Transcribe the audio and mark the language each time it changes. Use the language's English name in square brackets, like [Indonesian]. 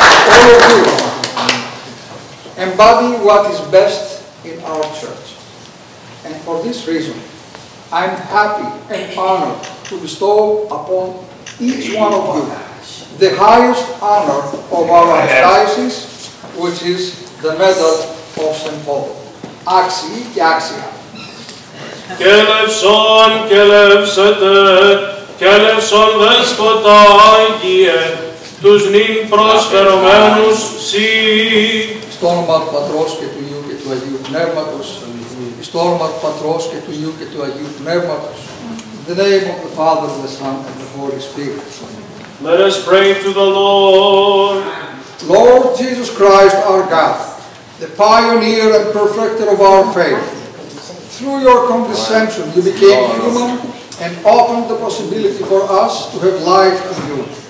[English] All of you embody what is best in our church. And for this reason, I'm happy and honored to bestow upon each one of you the highest honor of our archdiocese, which is the Medal of St. Paul. [Greek] Axi και axia. Κέλευσον, κέλευσετε, κέλευσον δέσποτα Άγιε, τους νυν προσφερομένους σύ. Στο όνομα του Πατρός και του Υιού και του Αγίου Πνεύματος. Στο όνομα του Πατρός και του Υιού και του Αγίου Πνεύματος. [English] In the name of the Father, the Son, and the Holy Spirit. Let us pray to the Lord. Lord Jesus Christ, our God, the pioneer and perfecter of our faith, through your condescension you became human and opened the possibility for us to have life in you.